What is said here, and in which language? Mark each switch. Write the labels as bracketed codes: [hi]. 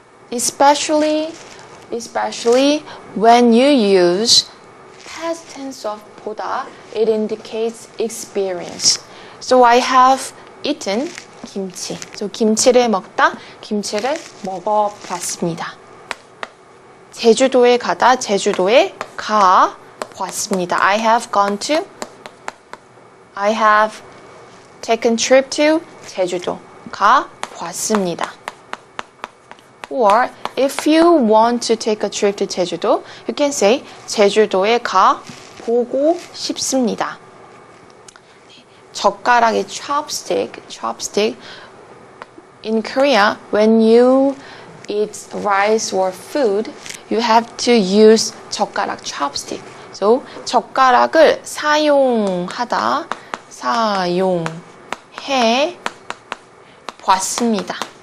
[en] Especially when you use past tense of 보다, it indicates experience. So I have eaten 김치. [ko] So 김치를 먹다, 김치를 먹어봤습니다. 제주도에 가다, 제주도에 가 왔습니다. [en] I have gone to, I have taken trip to 제주도, [ko] 가 왔습니다. [en] Or if you want to take a trip to 제주도, you can say [ko] 제주도에 가 보고 싶습니다. [en] 젓가락의 chopstick, in Korea, when you eat rice or food, you have to use 젓가락, chopstick. [ko] So, 젓가락을 사용하다, 사용해 보았습니다.